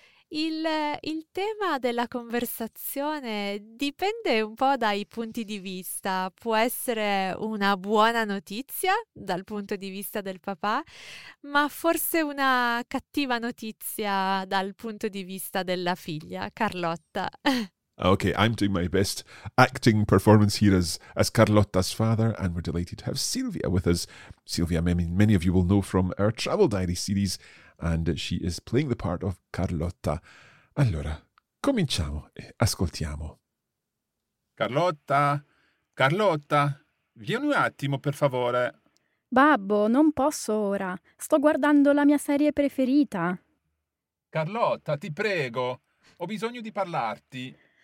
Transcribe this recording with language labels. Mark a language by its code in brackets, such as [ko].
[it] Il tema della conversazione dipende un po' dai punti di vista. Può essere una buona notizia dal punto di vista del papà, ma forse una cattiva notizia dal punto di vista della figlia, Carlotta. [en] Okay, I'm doing my best acting performance here as Carlotta's father, and we're delighted to have Silvia with us. Silvia, many of you will know from our Travel Diary series, and she is playing the part of Carlotta. [it] Allora, cominciamo e ascoltiamo. Carlotta, Carlotta, vieni un attimo, per favore. Babbo, non posso ora. Sto guardando la mia serie preferita. Carlotta, ti prego, ho bisogno di parlarti.